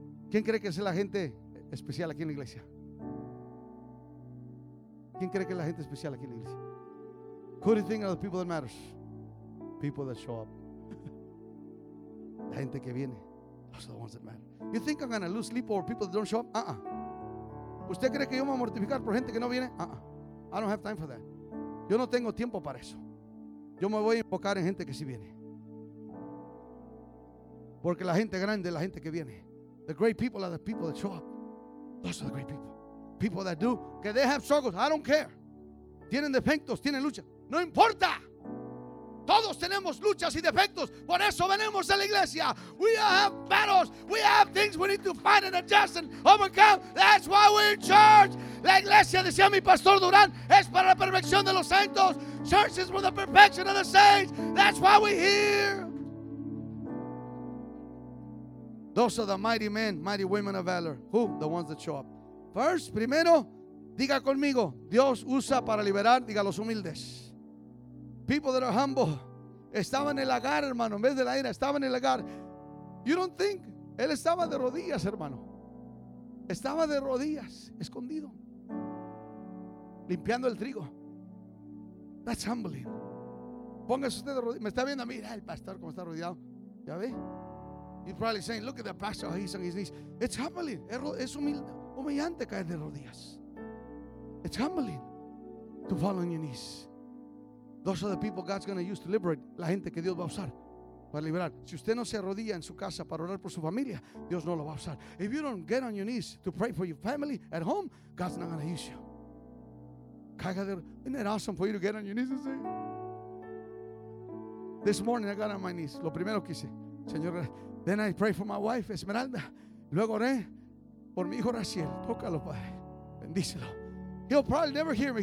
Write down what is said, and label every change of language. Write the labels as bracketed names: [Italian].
[Spanish] ¿Quién cree que es la gente especial aquí en la iglesia? ¿Quién cree que es la gente especial aquí en la iglesia? [English] Who do you think are the people that matters? People that show up. [Spanish] La gente que viene. [English] Those are the ones that matter. You think I'm going to lose sleep over people that don't show up? [Spanish] ¿Usted cree que yo me voy a mortificar por gente que no viene? [English] I don't have time for that. [Spanish] Yo no tengo tiempo para eso. Yo me voy a enfocar en gente que sí viene. Porque la gente grande es la gente que viene. [English] The great people are the people that show up. Those are the great people. People that do. Que they have struggles. I don't care. [Spanish] Tienen defectos. Tienen lucha. No importa. Todos tenemos luchas y defectos. Por eso venimos a la iglesia. [English] We have battles. We have things we need to fight and adjust and overcome. That's why we're in church. [Spanish] La iglesia, decía mi pastor Durán, es para la perfección de los santos. [English] Church is for the perfection of the saints. That's why we're here. Those are the mighty men, mighty women of valor. Who? The ones that show up. First, [Spanish] primero, diga conmigo, Dios usa para liberar, diga los humildes. [English] People that are humble. [Spanish] Estaba en el lagar, hermano, en vez de la ira, estaba en el lagar. [English] You don't think? [Spanish] Él estaba de rodillas, hermano. Estaba de rodillas, escondido. Limpiando el trigo. [English] That's humbling. [Spanish] Póngase usted de rodillas. Me está viendo a mí, el pastor cómo está rodeado. ¿Ya ve? [English] He's probably saying, look at the pastor, he's on his knees. It's humbling. [Spanish] Es humillante caer de rodillas. [English] It's humbling to fall on your knees. Those are the people God's going to use to liberate. [Spanish] La gente que Dios va a usar para liberar. Si usted no se arrodilla en su casa para orar por su familia, Dios no lo va a usar. [English] If you don't get on your knees to pray for your family at home, God's not going to use you. [Spanish] Caiga de rodillas. [English] Isn't it awesome for you to get on your knees and say, this morning I got on my knees. [Spanish] Lo primero que hice, Señor, [English] then I pray for my wife, Esmeralda. [Spanish] Luego oré por mi hijo Raciel. Tócalo, Padre. Bendícelo. [English] He'll probably never hear me.